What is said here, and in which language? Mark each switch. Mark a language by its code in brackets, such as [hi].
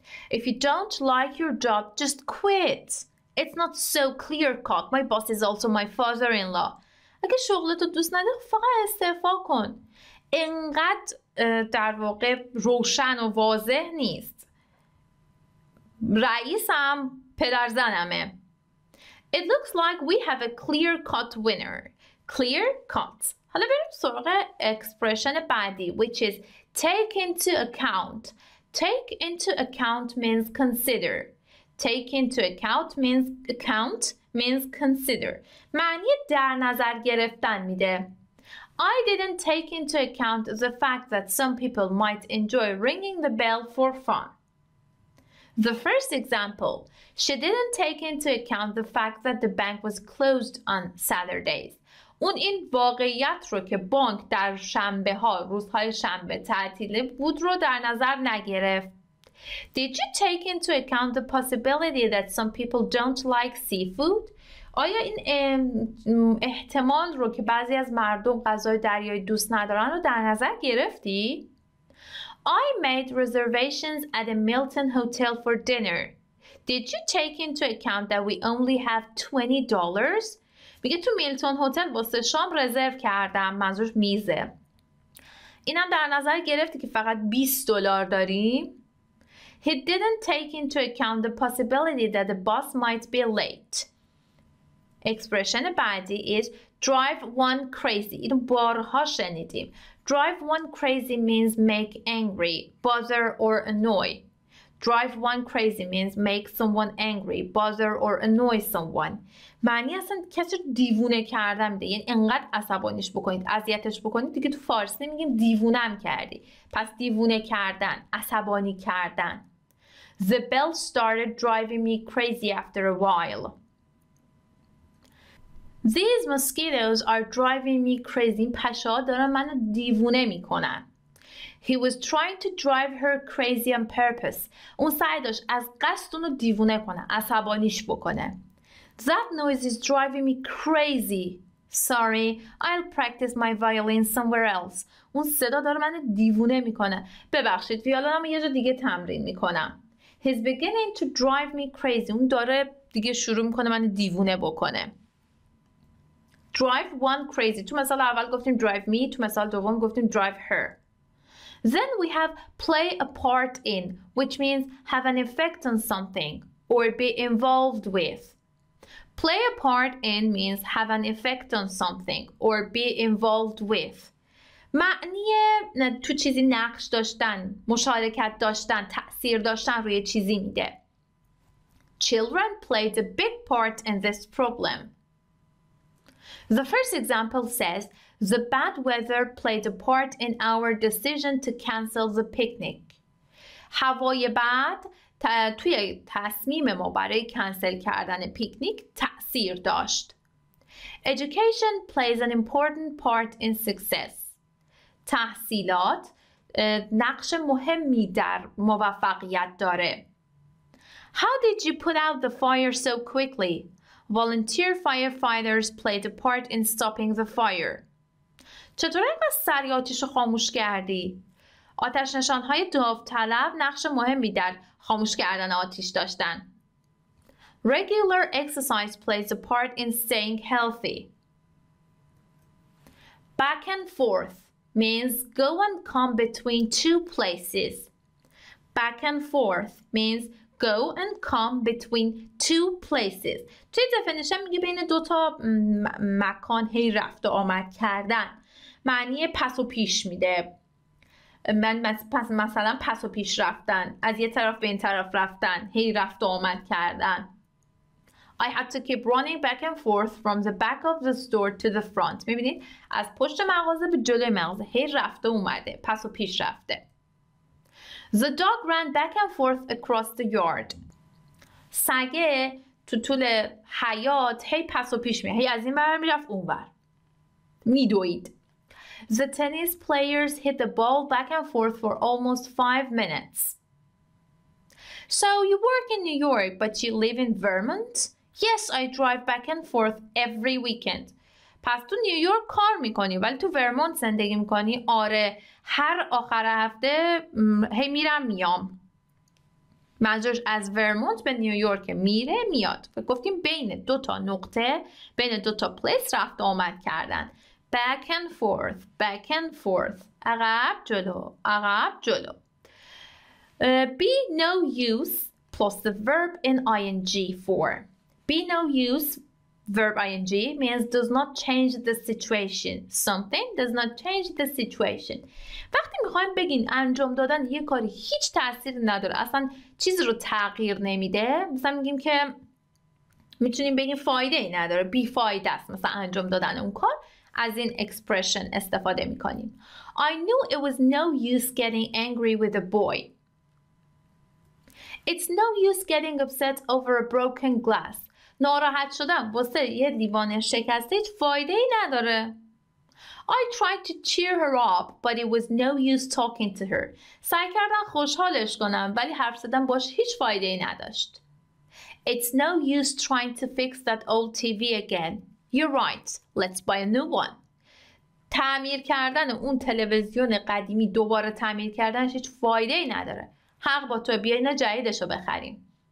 [en] If you don't like your job, just quit. It's not so clear-cut. My boss is also my father-in-law. [fa] اگه شغلتو دوست نداری فقط استعفا کن. اینقدر در واقع روشن و واضح نیست. رئیسم پدر زنمه. [en] It looks like we have a clear-cut winner. Clear-cut. [fa] حالا بریم سراغ اکسپرشن بعدی [en] which is take into account. Take into account means consider. Take into account means consider. [fa] معنی در نظر گرفتن میده. [en] I didn't take into account the fact that some people might enjoy ringing the bell for fun. The first example, she didn't take into account the fact that the bank was closed on Saturdays. [fa] اون این واقعیت رو که بانک در شنبه ها روزهای شنبه تعطیل بود رو در نظر نگرفت. [en] Did you take into account the possibility that some people don't like seafood? [fa] آیا این احتمال رو که بعضی از مردم غذای دریایی دوست ندارن رو در نظر گرفتی؟ [en] I made reservations at a Milton hotel for dinner. Did you take into account that we only have $20? [fa] میگه تو میلتون هتل واسه شام رزرو کردم، منظور میزه. اینم در نظر گرفتی که فقط 20 دلار داریم؟ [en] He didn't take into account the possibility that the bus might be late. Expression [fa] بعدی [en] is drive one crazy. [fa] اینو بارها شنیدیم. [en] Drive one crazy means make angry, bother or annoy. Drive one crazy means make someone angry, bother or annoy someone. [fa] معنی اصلا کسی رو دیوونه کردم ده. یعنی انقدر عصبانیش بکنید، اذیتش بکنید. دیگه تو فارسی نمیگیم دیوونم کردی. پس دیوونه کردن، عصبانی کردن. [en] The bell started driving me crazy after a while. These mosquitoes are driving me crazy. [fa] پشا دارن منو دیوونه میکنن. [en] He was trying to drive her crazy on purpose. [fa] اون سعی داشت از قصد اونو دیوونه کنه، عصبانیش بکنه. [en] That noise is driving me crazy. Sorry, I'll practice my violin somewhere else. [fa] اون صدا داره منو دیوونه میکنه. ببخشید، ویولنمو یه جا دیگه تمرین میکنم. [en] He's beginning to drive me crazy. [fa] اون داره دیگه شروع میکنه منو دیوونه بکنه. [en] Drive one crazy. [fa] تو مثال اول گفتیم [en] drive me، [fa] تو مثال دوم گفتیم [en] drive her. Then we have play a part in, which means have an effect on something or be involved with. Play a part in means have an effect on something or be involved with. [fa] معنی تو چیزی نقش داشتن، مشارکت داشتن، تأثیر داشتن روی چیزی میده. [en] Children played a big part in this problem. The first example says, the bad weather played a part in our decision to cancel the picnic. [fa] هوای بد توی تصمیم ما برای کنسل کردن پیکنیک تأثیر داشت. [en] Education plays an important part in success. [fa] تحصیلات نقش مهمی در موفقیت داره. [en] How did you put out the fire so quickly? Volunteer firefighters played a part in stopping the fire. [fa] چطور اینقدر سریع آتیش رو خاموش کردی؟ آتش نشانهای داوطلب نقش مهمی در خاموش کردن آتیش داشتن. [en] Regular exercise plays a part in staying healthy. Back and forth means go and come between two places. Back and forth means go and come between two places. [fa] توی دفنیشن میگه بین دوتا مکان هی رفت و آمد کردن. معنی پس و پیش میده. من پس مثلا پس و پیش رفتن، از یه طرف به این طرف رفتن، هی رفت و آمد کردن. [en] I had to keep running back and forth from the back of the store to the front. [fa] میبینید از پشت مغازه به جلوی مغازه هی رفته اومده، پس و پیش رفته. [en] The dog ran back and forth across the yard. [fa] سگه تو طول حیات هی پس و پیش میره. هی از این بر میرفت اون بر. میدوید. [en] The tennis players hit the ball back and forth for almost 5 minutes. So you work in New York, but you live in Vermont? Yes, I drive back and forth every weekend. [fa] پس تو نیویورک کار میکنی ولی تو ورمونت زندگی میکنی؟ آره، هر آخر هفته هی میرم میام. منظورش از ورمونت به نیویورک میره میاد. گفتیم بین دو تا نقطه، بین دو تا پلیس رفت آمد کردن. [en] Back and forth, back and forth. [fa] عقب جلو، عقب جلو. [en] Be no use plus the verb in ing form. Be no use, verb ing, means does not change the situation. Something does not change the situation. [fa] وقتی میخوایم بگین انجام دادن یه کاری هیچ تأثیر نداره، اصلا چیز رو تغییر نمیده، مثلا میگیم که میتونیم بگیم فایده ای نداره، بی فایده است مثلا انجام دادن اون کار، از این expression استفاده میکنیم. [en] I knew it was no use getting angry with a boy. It's no use getting upset over a broken glass. [fa] ناراحت شدم واسه یه لیوان شکسته هیچ فایده ای نداره. [en] I tried to cheer her up, but it was no use talking to her. [fa] سعی کردم خوشحالش کنم ولی حرف زدن باش هیچ فایده ای نداشت. [en] It's no use trying to fix that old TV again. You're right. Let's buy a new one. [fa] تعمیر کردن اون تلویزیون قدیمی، دوباره تعمیر کردنش هیچ فایده ای نداره. حق با تو، بیاین جدیدشو بخریم.